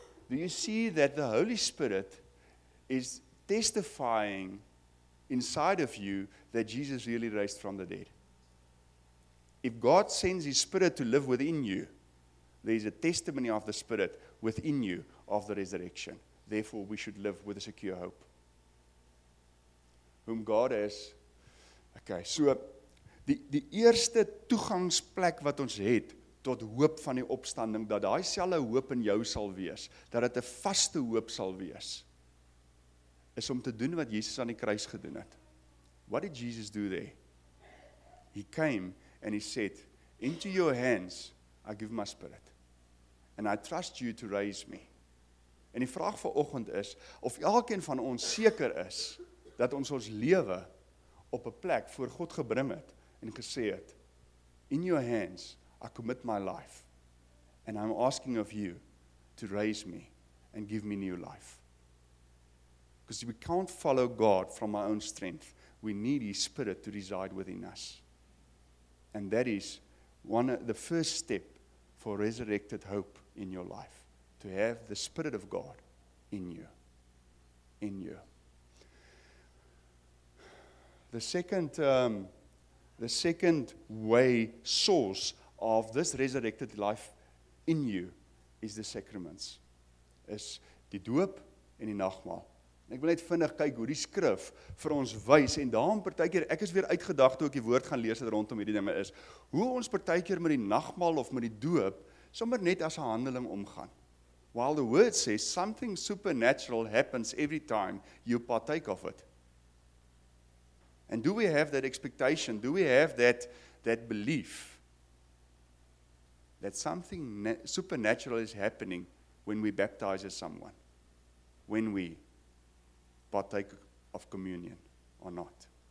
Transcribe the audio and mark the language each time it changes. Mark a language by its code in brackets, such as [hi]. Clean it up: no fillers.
[en] Do you see that the Holy Spirit is testifying inside of you that Jesus really raised from the dead? If God sends his Spirit to live within you, there is a testimony of the Spirit within you of the resurrection. Therefore, we should live with a secure hope. Whom God is. [af] Okay, so die eerste toegangsplek wat ons het tot hoop van die opstanding, dat daai selfe hoop in jou sal wees, dat dit 'n vaste hoop sal wees, is om te doen wat Jesus aan die kruis gedoen het. [en] What did Jesus do there? He came and he said, into your hands I give my spirit, and I trust you to raise me. [af] En die vraag vir oggend is, of elkeen van ons seker is, dat ons lewe op 'n plek voor God gebring het en gesê het, [en] in your hands, I commit my life. And I'm asking of you to raise me and give me new life. Because we can't follow God from our own strength. We need His Spirit to reside within us. And that is one of the first step for resurrected hope in your life. To have the Spirit of God in you. In you. The second way, source of this resurrected life in you is the sacraments. [af] Is die doop en die nagmaal. Ek wil net vinnig kyk hoe die skrif vir ons wys en daarom partykeer, ek is weer uitgedag toe ek die woord gaan lees wat rondom hierdie dinge is, hoe ons partykeer met die nagmaal of met die doop sommer net as 'n handeling omgaan. [en] While the word says something supernatural happens every time you partake of it. And do we have that expectation? Do we have that belief that something supernatural is happening when we baptize someone, when we partake of communion or not?